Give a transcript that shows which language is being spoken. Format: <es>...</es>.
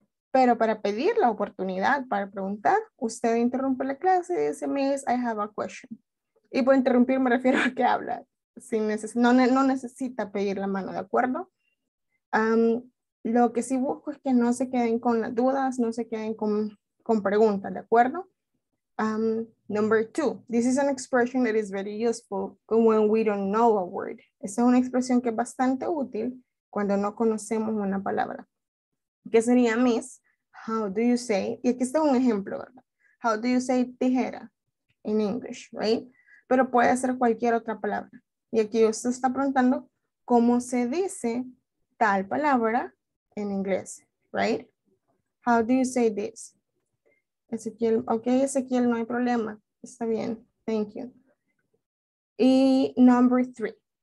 <es>Pero para pedir la oportunidad para preguntar, usted interrumpe la clase y dice,</es> <en>Miss, I have a question.</en> <es>Y por interrumpir me refiero a que habla. No necesita pedir la mano, ¿de acuerdo? Lo que sí busco es que no se queden con las dudas, no se queden con preguntas, ¿de acuerdo?</es> <en>Number two, this is an expression that is very useful when we don't know a word.</en> <es>Esa es una expresión que es bastante útil cuando no conocemos una palabra. ¿Qué sería, Miss?</es> <en>How do you say?</en> <es>Y aquí está un ejemplo, ¿verdad?</es> <en>How do you say tijera in English, right?</en> <es>Pero puede ser cualquier otra palabra. Y aquí usted está preguntando cómo se dice tal palabra en inglés, right?</es> <en>How do you say this? Ezequiel, ok, Ezequiel,</en> <es>no hay problema. Está bien,</es> <en>thank you.</en> <es>Y</es> <en>number three.</en>